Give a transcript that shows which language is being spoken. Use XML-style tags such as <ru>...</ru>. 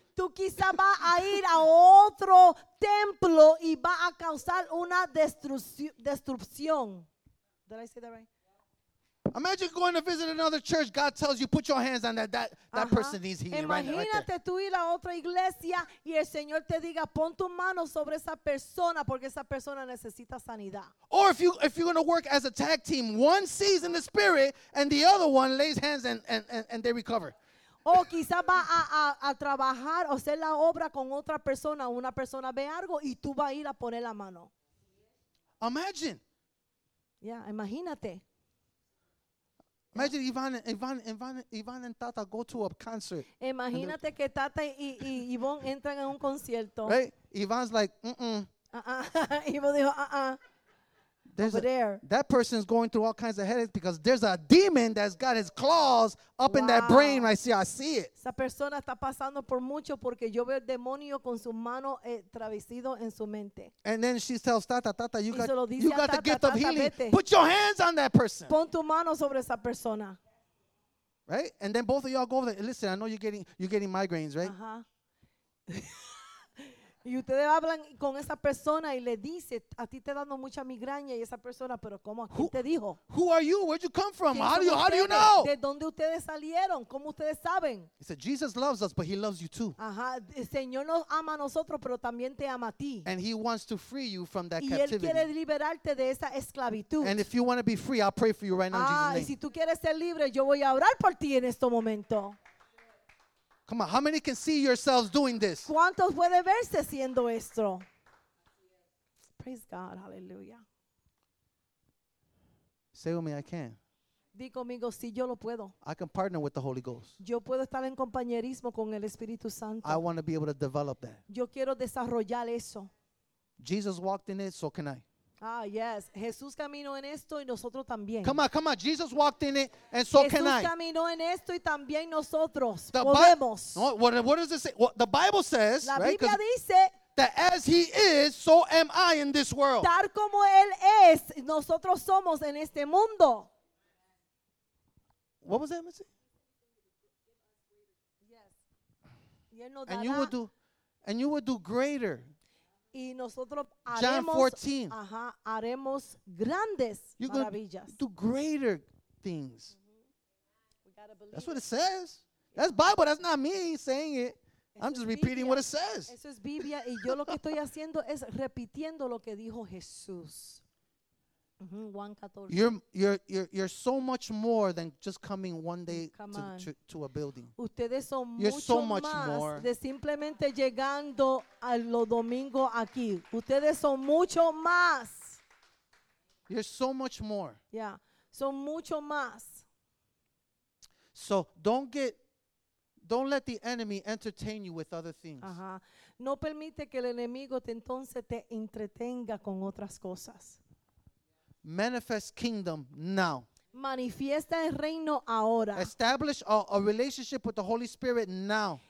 <es>Tú quizá va a ir a otro templo y va a causar una destrucción.</es> <en>Did I say that right? Imagine going to visit another church. God tells you, put your hands on that person needs healing.</en> <es>Imagínate tú ir a otra iglesia y el Señor te diga, pon tu mano sobre esa persona porque esa persona necesita sanidad.</es> <en>Or if you're going to work as a tag team, one sees in the spirit and the other one lays hands and they recover.</en> <es>O quizá va a trabajar o hacer la obra con otra persona. Una persona ve algo y tú vas a ir a poner la mano.</es> <en>Imagine.</en> <es>Yeah, imagínate.</es> <en>Imagine Ivan and Tata go to a concert.</en> <es>Imagínate que Tata y Ivonne entran en un concierto.</es> <en>Right? Ivan's like, mm-mm.</en> <es>Ivonne dijo, uh-uh.</es> <en>That person is going through all kinds of headaches because there's a demon that's got his claws up in that brain. I see it.</en> <es>Esa persona está pasando por mucho porque yo veo el demonio con su mano travestido en su mente.</es> <en>And then she tells Tata, you got the gift of healing.</en> <es>Vete.</es> <en>Put your hands on that person.</en> <es>Pon tu mano sobre esa persona.</es> <en>Right? And then both of y'all go over there. Listen, I know you're getting migraines, right? Uh-huh.</en> <es>Y ustedes hablan con esa persona y le dice, a ti te dando mucha migraña, y esa persona, pero cómo, ¿quién te dijo?</es> <en>Who are you? Where'd you come from? How do you know?</en> <es>¿De dónde ustedes salieron? ¿Cómo ustedes saben?</es> <en>He said, Jesus loves us, but he loves you too.</en> <es>Ajá, el Señor nos ama a nosotros, pero también te ama a ti.</es> <en>And he wants to free you from that</en> <es>y</es> <en>captivity.</en> <es>Y él quiere liberarte de esa esclavitud.</es> <en>And if you want to be free, I'll pray for you right now, ah, in Jesus' name.</en> <es>Y si tú quieres ser libre, yo voy a orar por ti en este momento.</es> <en>Come on, how many can see yourselves doing this?</en> <es>¿Cuántos pueden verse haciendo esto?</es> <en>Praise God, hallelujah. Say with me, I can.</en> <es>Di conmigo, sí, yo lo puedo.</es> <en>I can partner with the Holy Ghost.</en> <es>Yo puedo estar en compañerismo con el Espíritu Santo.</es> <en>I want to be able to develop that.</en> <es>Yo quiero desarrollar eso.</es> <en>Jesus walked in it, so can I.</en> <es>Ah, yes. Jesús caminó en esto y nosotros también.</es> <en>Come on, come on. Jesus walked in it, and so</en> <es>Jesús</es> <en>can I.</en> <es>Jesús caminó en esto y también nosotros podemos.</es> <en>What does it say? What the Bible says,</en> <es>la</es> <en>right?</en> <es>Biblia dice,</es> <en>that as he is, so am I in this world.</en> <es>Tal como él es, nosotros somos en este mundo.</es> <en>What was that, Missy? Yes. And you will do greater.</en> <es>Y nosotros haremos, haremos grandes maravillas.</es> <en>Do greater things. That's what it says. That's Bible. That's not me saying it. I'm just repeating what it says.</en> <es>Eso es Biblia. Y yo lo que estoy haciendo es repitiendo lo que dijo Jesús. Juan 14.</es> <en>You're so much more than just coming one day to a building.</en> <es>Ustedes son</es> <en>you're</en> <es>mucho</es> <en>so much</en> <es>más</es> <en>more.</en> <es>De simplemente llegando a los domingos aquí. Ustedes son mucho más.</es> <en>You're so much more.</en> <es>Yeah, son mucho más.</es> <en>So don't let the enemy entertain you with other things.</en> <es>No permite que el enemigo entonces te entretenga con otras cosas.</es> <en>Manifest kingdom now.</en> <es>Manifiesta el reino ahora.</es> <en>Establish a relationship with the Holy Spirit now.</en>